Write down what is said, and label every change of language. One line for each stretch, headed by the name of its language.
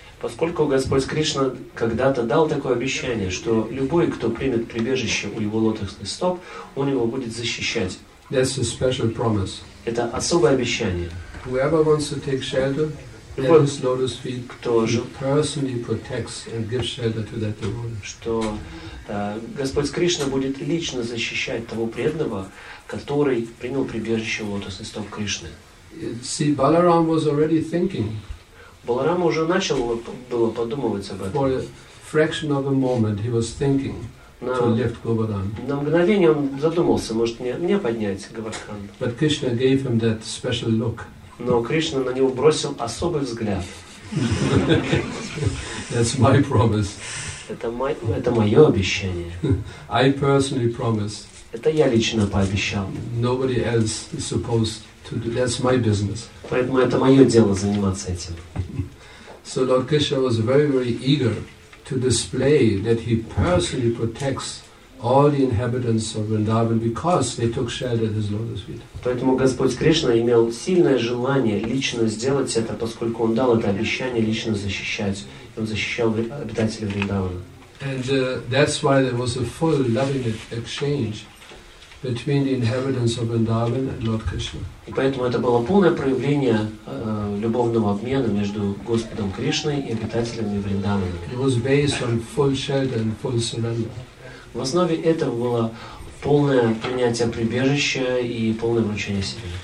Russian: Поскольку Господь Кришна когда-то дал такое обещание, что любой, кто примет прибежище у его лотосных стоп, он его будет защищать.
English: That's a special promise.
Russian: Это особое обещание.
English: Whoever wants to take shelter lotus lotus feet тоже personally protects and gives shelter to that devotee.
Russian: Что Господь Кришна будет лично защищать того преданного, который принял прибежище лотосных стоп Кришны.
English: See, Balaram was already thinking.
Russian: Баларам уже начал было подумывать об этом.
English: For a fraction of a moment he was thinking.
Russian: На мгновение он задумался, может мне поднять Говардхан.
English: But Krishna gave him that special look.
Russian: Но Кришна на него бросил особый взгляд.
English: That's my promise.
Russian: Это мое обещание.
English: I personally promise.
Russian: Это я лично пообещал.
English: Nobody else is supposed to do. That's my business.
Russian: Поэтому это мое дело заниматься этим.
English: So Lord Krishna was very, very eager to display that he personally protects all the inhabitants of Vrindavan because they took shelter at his lotus feet.
Russian: Поэтому Господь Кришна имел сильное желание лично сделать это, поскольку он дал это обещание лично защищать. Он защищал обитателей Вриндавана.
English: And that's why there was a full loving exchange between the inhabitants of Vrindavan and Lord Krishna.
Russian: И поэтому это было полное проявление любовного обмена между Господом Кришной и обитателями Вриндавана.
English: It was based on full shelter and full surrender.
Russian: В основе этого было полное принятие прибежища и полное вручение себе.